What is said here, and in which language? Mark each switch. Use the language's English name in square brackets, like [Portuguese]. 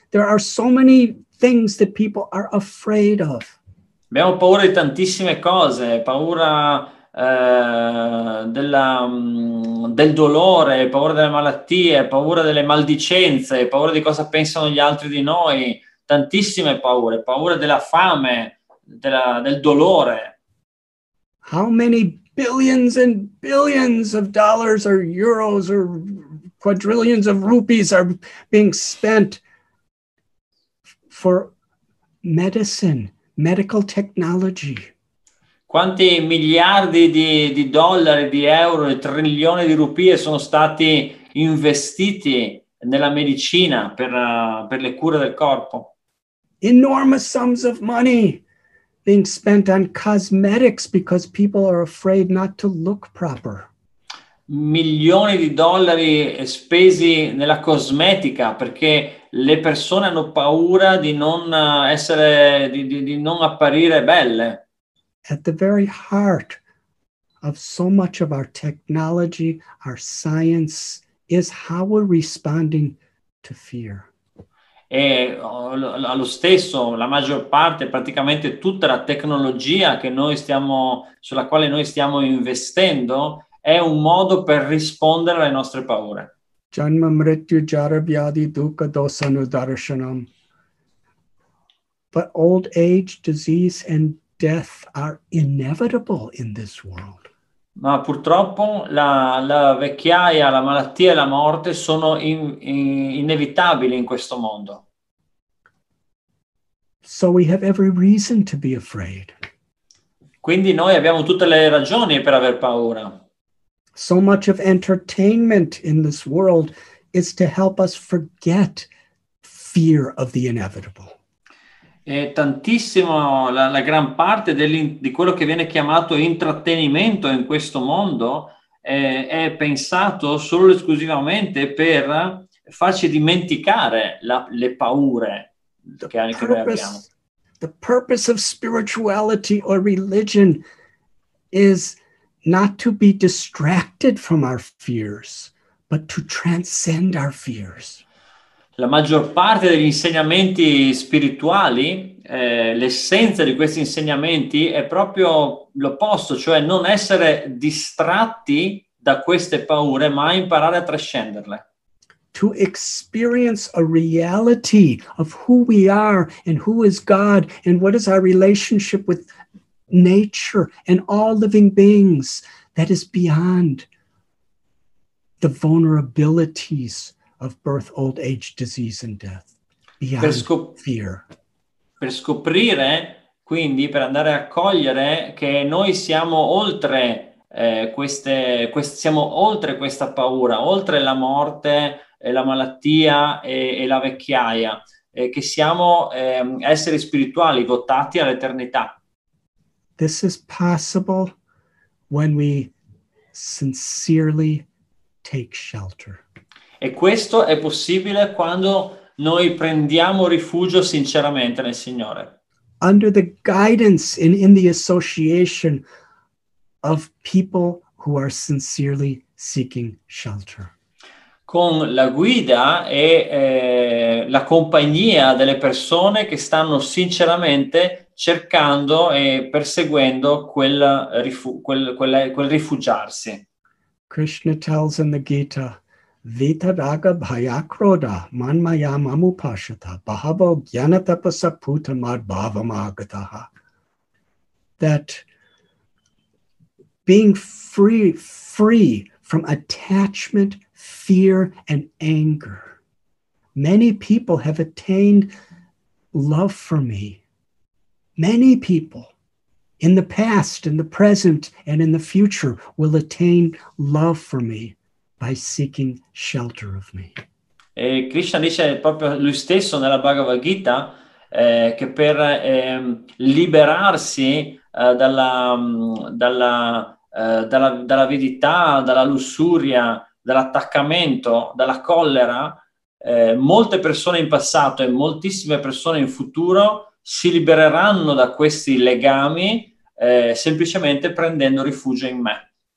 [English] There are so many things that people are afraid of. [Italian] Abbiamo paura di tantissime cose, paura del dolore, paura delle malattie, paura delle maldicenze, paura di cosa pensano gli altri di noi, tantissime paure, paura della fame, del dolore. [English] How many billions and billions of dollars or euros or quadrillions of rupees are being spent for medicine, medical technology? [Italian] Quanti miliardi di dollari, di euro e trilioni di rupie sono stati investiti nella medicina per le cure del corpo? [English] Enormous sums of money being spent on cosmetics because people are afraid not to look proper. [Italian] Milioni di dollari spesi nella cosmetica perché le persone hanno paura di non essere di non apparire belle. [English] At the very heart of so much of our technology, our science, is how we're responding to fear. [Italian] E allo stesso, la maggior parte, praticamente tutta la tecnologia che noi stiamo, sulla quale noi stiamo investendo, è un modo per rispondere alle nostre paure. [Sanskrit] Janma mrityu jara vyadi dukkha dosanu darshanam. [English] But old age, disease and death are inevitable in this world. [Italian] Ma purtroppo la vecchiaia, la malattia e la morte sono inevitabili in questo mondo. [English] So we have every reason to be afraid. [Italian] Quindi noi abbiamo tutte le ragioni per aver paura. [English] So much of entertainment in this world is to help us forget fear of the inevitable. [Italian] E tantissimo, la gran parte di quello che viene chiamato intrattenimento in questo mondo è pensato solo esclusivamente per farci dimenticare le paure che noi abbiamo. [English] The purpose of spirituality or religion is not to be distracted from our fears, but to transcend our fears. [Italian] La maggior parte degli insegnamenti spirituali, l'essenza di questi insegnamenti è proprio l'opposto, cioè non essere distratti da queste paure, ma imparare a trascenderle. [English] To experience a reality of who we are and who is God and what is our relationship with nature and all living beings that is beyond the vulnerabilities of birth, old age, disease and death, beyond fear. [Italian] Per scoprire, quindi, per andare a cogliere che noi siamo oltre siamo oltre questa paura, oltre la morte e la malattia e la vecchiaia, e che siamo esseri spirituali votati all'eternità. [English] This is possible when we sincerely take shelter. [Italian] E questo è possibile quando noi prendiamo rifugio sinceramente nel Signore. [English] Under the guidance and in the association of people who are sincerely seeking shelter. [Italian] Con la guida e la compagnia delle persone che stanno sinceramente cercando e perseguendo quel rifugiarsi. [English] Krishna tells in the Gita, [Sanskrit] Vitaraga bhayakroda manmaya mamupashata bhavo gyanatapasa putamad bhavamagataha. [English] That being free from attachment, fear, and anger, many people have attained love for me. Many people in the past, in the present, and in the future will attain love for me by seeking shelter of me. [Italian] E Krishna dice proprio lui stesso nella Bhagavad Gita che per liberarsi dalla avidità, dalla lussuria, dall'attaccamento, dalla collera, molte persone in passato e moltissime persone in futuro si libereranno da questi legami semplicemente prendendo rifugio in me.